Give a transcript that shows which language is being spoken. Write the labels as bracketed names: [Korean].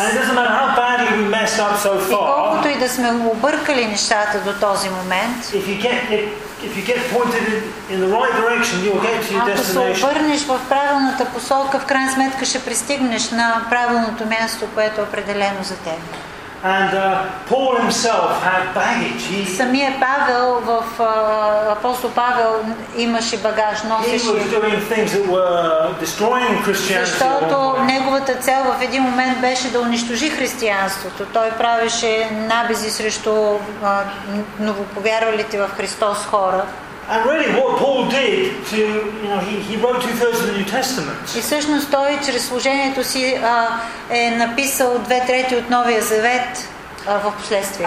[English] And it doesn't matter how badly we messed up so far. [Bulgarian] И колкото и да сме объркали нещата до този момент. [English] If you get pointed in the right direction, you'll get to your destination. [Bulgarian] Ако се обърнеш в правилната посока, в крайна сметка ще пристигнеш на правилното място, което е определено за теб. [English] And Paul himself had baggage. [Bulgarian] Самия Павел, в апостол Павел имаше багаж, носеше. [English] He was doing things that were destroying Christianity. [Bulgarian] Защото неговата цел в един момент беше да унищожи християнството. Той правеше набези срещу новоповярвалите в Христос хора. [English] And really what Paul did to, you know, he wrote 2/3 of the New Testament. [Bulgarian] И всъщност той чрез служението си е написал 2/3 от Новия Завет в последствие.